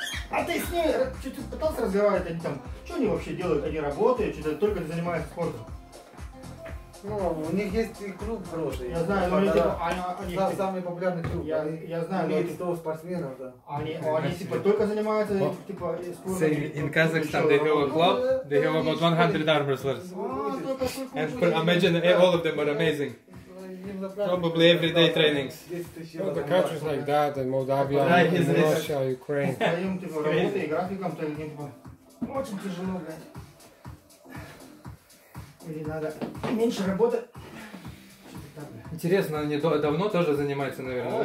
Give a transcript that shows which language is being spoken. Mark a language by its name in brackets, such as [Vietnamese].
[Russian] А ты с ней что-то пытался разговаривать, они там, что они вообще делают, они работают, что-то только занимаются спортом. Ну, у них есть клуб хороший. Я знаю, но они типа... Да, самый популярный клуб. Я знаю, но... Имеют 100 спортсменов, да. Они типа только занимаются, типа, спортом. [English] In Kazakhstan, they have a club, they have about 100 arm wrestlers. And imagine, all of them are amazing. Probably everyday trainings. Well, the countries like that, and Moldavia, and Russia, Ukraine. It's crazy. [Russian] Очень тяжело, блядь. Или надо меньше работать. Интересно, они давно тоже занимаются, наверное?